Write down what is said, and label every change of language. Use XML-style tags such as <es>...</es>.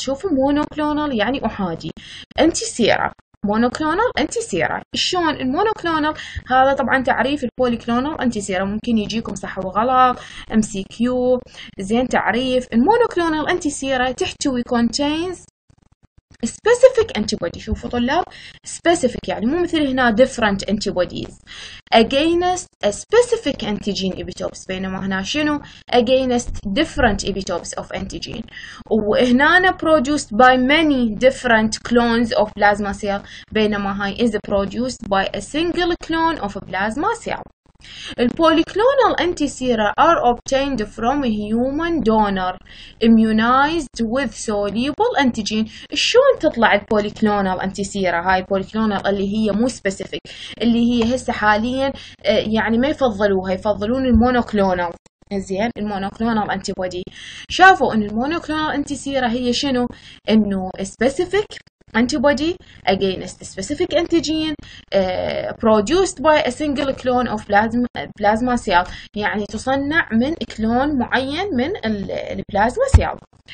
<ar>شوفوا مونوكلونال يعني احادي، انتي سيرا مونوكلونال انتي سيرا. شلون المونوكلونال؟ هذا طبعا تعريف البوليكلونال انتي سيرا، ممكن يجيكم صح وغلط ام سي كيو. زين تعريف المونوكلونال انتي سيرا تحتوي كونتينز specific antibody. شوفوا طلاب</ar> <en>specific</en> <ar>يعني مو مثل هنا</ar> <en>different antibodies against a specific antigen epitopes،</en> <ar>بينما هنا شنو</ar> <en>against different epitopes of antigen.</en> <ar>وهنا</ar> <en>produced by many different clones of plasma cell،</en> <ar>بينما هاي</ar> <en>is produced by a single clone of a plasma cell. البوليكلونال anti sera are obtained from a human donor immunized with soluble antigen.</en> <ar>شلون تطلع البوليكلونال انتي سيرا؟ هاي البوليكلونال اللي هي مو سبيسيفيك، اللي هي هسه حاليا يعني ما يفضلوها، يفضلون المونوكلونال. زين المونوكلونال انتي بودي شافوا ان المونوكلونال انتي سيرا هي شنو؟ انه سبيسيفيك</ar> <en>antibody against specific antigen produced by a single clone of plasma cell،</en> <ar>يعني تصنع من كلون معين من البلازما سيل.</ar>